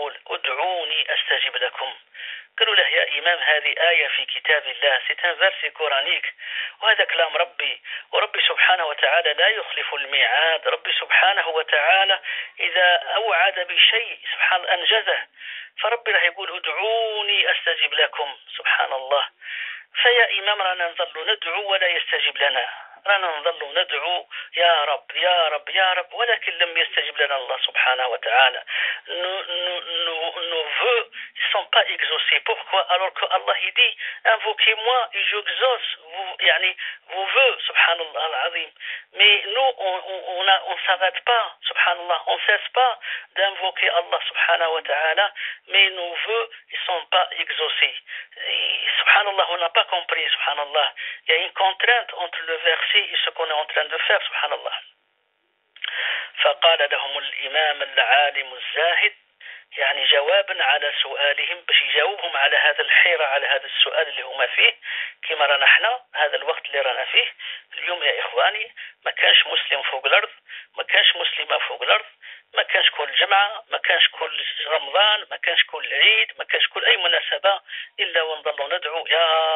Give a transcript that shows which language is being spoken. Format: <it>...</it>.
<ar>ادعوني أستجب لكم قالوا له يا إمام هذه آية في كتاب الله</ar> <fr>ستان فرسي كورانيك</fr> <ar>وهذا كلام ربي وربي سبحانه وتعالى لا يخلف الميعاد ربي سبحانه وتعالى إذا أوعد بشيء سبحانه أنجزه فربي راح يقول ادعوني استجب لكم سبحان الله فيا إمام رانا نظل ندعو ولا يستجب لنا، رانا نظل ندعو يا رب يا رب يا رب، ولكن لم يستجب لنا الله سبحانه وتعالى.</ar> <fr>Nos voeux ne sont pas exaucés. Pourquoi? Alors que Allah il dit, invoquez-moi et j'exauce vos voeux, subhanallah al-azim. Mais nous, on s'arrête pas, subhanallah, on ne cesse pas d'invoquer Allah subhanahu wa ta'ala, mais nos voeux ne sont pas exaucés. Et, subhanallah, on n'a pas compris, subhanallah. Il y a une contrainte entre le verset et ce qu'on est en train de faire, subhanallah.</fr> <ar>فقال لهم الإمام العالم الزاهد يعني جوابا على سؤالهم باش يجاوبهم على هذا الحيرة على هذا السؤال اللي هما فيه كما رانا احنا هذا الوقت اللي رانا فيه اليوم يا إخواني ما كانش مسلم فوق الأرض ما كانش مسلمة فوق الأرض ما كانش كل جمعة ما كانش كل رمضان ما كانش كل عيد ما كانش كل أي مناسبة إلا ونظل ندعو يا</ar>